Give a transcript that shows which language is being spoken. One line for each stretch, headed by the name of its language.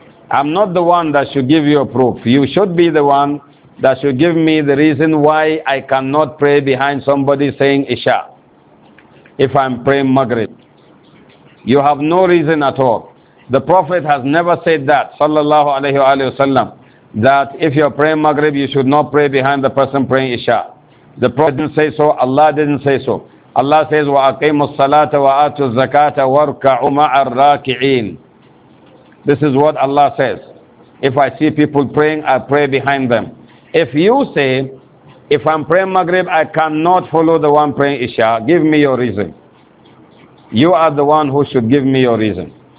English: I'm not the one that should give you a proof. You should be the one that should give me the reason why I cannot pray behind somebody saying Isha, if I'm praying Maghrib. You have no reason at all. The Prophet has never said that, sallallahu alayhi wa sallam, that if you're praying Maghrib, you should not pray behind the person praying Isha. The Prophet didn't say so, Allah didn't say so.
Arabic: Allah says, وَأَقِيمُ الصَّلَاةَ وَآتُ الزَّكَاةَ وَارْكَعُ مَعَ الرَّاكِعِينَ.
English: This is what Allah says. If I see people praying, I pray behind them. If you say, if I'm praying Maghrib, I cannot follow the one praying Isha, give me your reason. You are the one who should give me your reason.